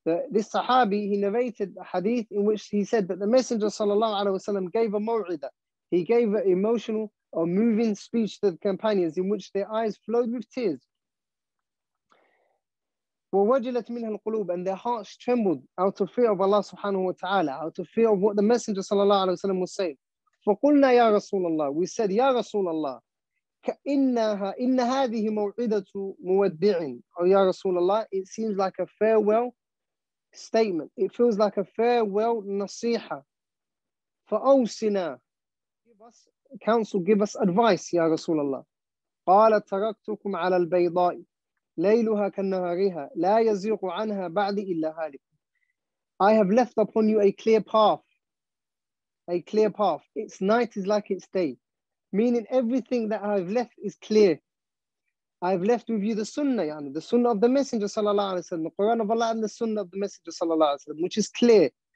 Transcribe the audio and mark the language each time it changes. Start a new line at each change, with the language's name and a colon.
English: This Sahabi, he narrated a hadith in which he said that the Messenger
Arabic: صلى الله عليه وسلم
English: gave a maw'idah. He gave an emotional or moving speech to the companions in which their eyes flowed with tears.
Arabic: ووجلت منها القلوب,
English: and their hearts trembled out of fear of Allah subhanahu wa ta'ala, out of fear of what the Messenger sallallahu alayhi wa sallam was saying.
Arabic: فقلنا يا رسول الله,
English: we said,
Arabic: يا رسول الله, كإنها, إن هذه موعدة مودع, أو يا رسول الله,
English: it seems like a farewell
Arabic: statement, it feels like a farewell نصيحة. فأوصنا,
English: give us counsel, give us advice,
Arabic: يا رسول الله. قال تركتكم على البيضاء ليلها كالنهارها لا يزيغ عنها بعد إلا هالك.
English: I have left upon you a clear path, a clear path. Its night is like its day, meaning everything that I've left is clear. I've left with you the sunnah,
Arabic: يعني,
English: the sunnah of the Messenger sallallahu alaihi wasallam, the Quran of Allah and the sunnah of the Messenger sallallahu alaihi wasallam, which is clear.